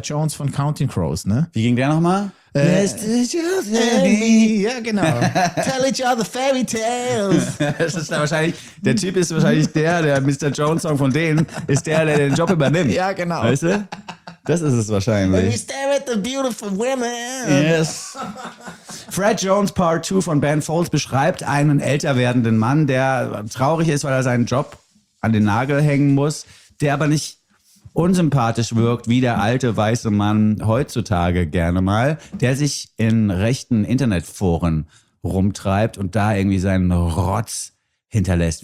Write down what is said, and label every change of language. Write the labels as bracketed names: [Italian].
[German] Jones von Counting Crows, ne? Wie ging der nochmal? Ja, genau. [English] Tell each other fairy tales. [German] Das ist da wahrscheinlich, der Typ ist wahrscheinlich der Mr. Jones-Song von denen, ist der den Job übernimmt. Ja, genau. Weißt du? Das ist es wahrscheinlich. [English] You stare at the beautiful women. Yes. [German] Fred Jones Part 2 von Ben Folds beschreibt einen älter werdenden Mann, der traurig ist, weil er seinen Job an den Nagel hängen muss, der aber nicht unsympathisch wirkt, wie der alte weiße Mann heutzutage gerne mal, der sich in rechten Internetforen rumtreibt und da irgendwie seinen Rotz hinterlässt.